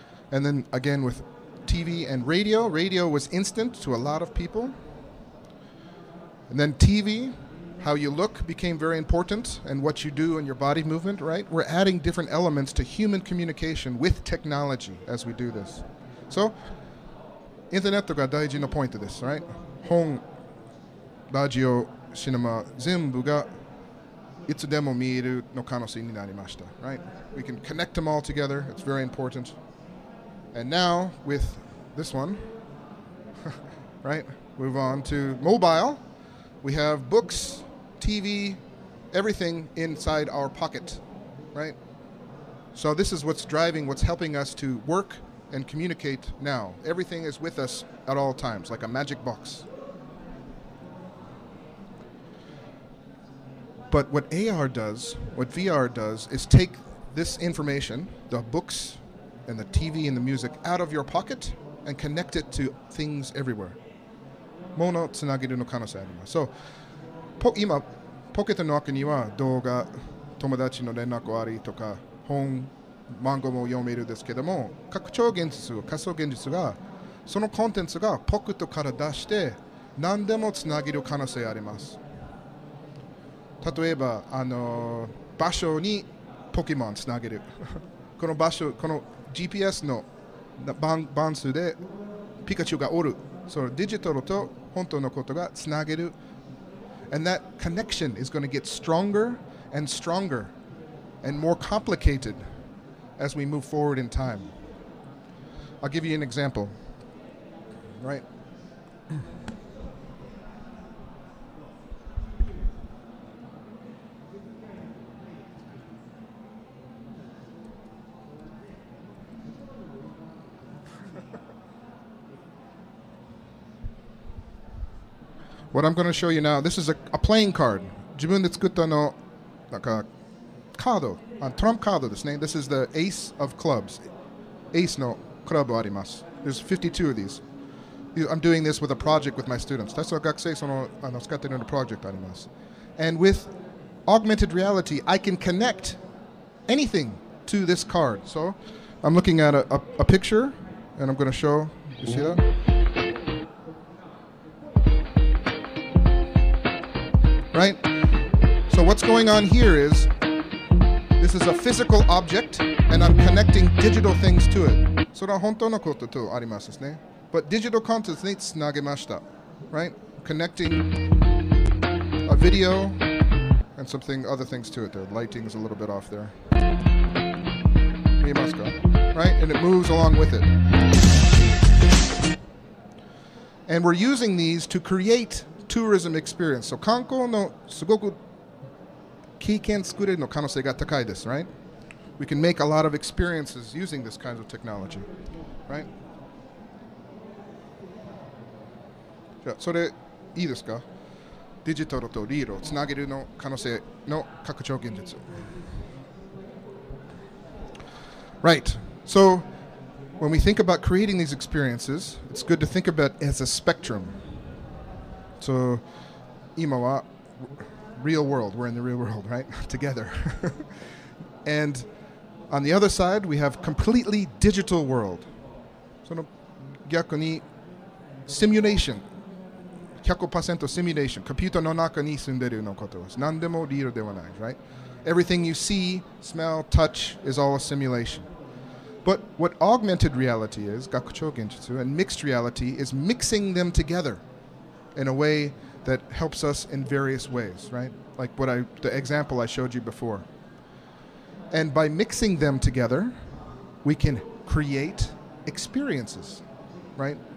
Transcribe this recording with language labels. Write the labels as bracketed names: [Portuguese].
[English] And then again with TV and radio, radio was instant to a lot of people. And then TV, how you look became very important and what you do and your body movement, right? We're adding different elements to human communication with technology as we do this. [Japanese] So, internet が大事なポイントです, [English] right? [Japanese] 本、ラジオ、シネマ、全部がいつでも見えるの可能性になりました、 [English] right? We can connect them all together. It's very important. And now, with this one, right? Move on to mobile. We have books, TV, everything inside our pocket, right? So this is what's driving, what's helping us to work and communicate now. Everything is with us at all times, like a magic box. But what AR does, what VR does, is take this information, the books and the TV and the music, out of your pocket and connect it to things everywhere. [Japanese] ものつなげるの可能性あります。 [English] So, [Japanese] 今、ポケットの中には動画、友達の連絡ありとか、本、漫画も読めるですけども、拡張現実、仮想現実が、そのコンテンツがポケットから出して、何でもつなげる可能性あります。例えば、場所にポケモンつなげる。この場所、この GPS の番数でピカチュウがおる。そのデジタルと本当のことがつなげる。 [English] And that connection is going to get stronger and stronger and more complicated as we move forward in time. I'll give you an example. Right? What I'm going to show you now, this is a playing card. [Japanese] 自分で作ったのなんかカード、トランプカードですね。 [English] This is the ace of clubs. [Japanese] Ace のクラブあります。 [English] There's 52 of these. I'm doing this with a project with my students. [Japanese] 私は学生その、使っているのプロジェクトあります。 [English] And with augmented reality, I can connect anything to this card. So I'm looking at a picture, and I'm going to show, you see that? Right? So what's going on here is this is a physical object and I'm connecting digital things to it. [Japanese] それは本当のこととありますね。 [English] But digital content [Japanese] につなげました。 [English] Right? Connecting a video and something other things to it. The lighting is a little bit off there. [Japanese] 見えますか? [English] Right? [Japanese] And it moves along with it. [English] And we're using these to createTourism experience. [Japanese] So, 観光のすごく経験作れるの可能性が高いです, [English] right? We can make a lot of experiences using this kind of technology, right? [Japanese] じゃあ、それいいですか?デジタルとリアルをつなげるの可能性の拡張現実。 [English] Right. So, when we think about creating these experiences, it's good to think about it as a spectrum. So, [Japanese] 今は [English] real world. We're in the real world, right? Together. And on the other side, we have completely digital world. [Japanese] その逆に [English] simulation. [Japanese] 100% シミュレーション、コンピューターの中に住んでるのことです。何でもリアルではない、 [English] right? Everything you see, smell, touch is all a simulation. But what augmented reality is, 拡張現実 and mixed reality is mixing them together in a way that helps us in various ways, right? Like what the example I showed you before. And by mixing them together, we can create experiences, right?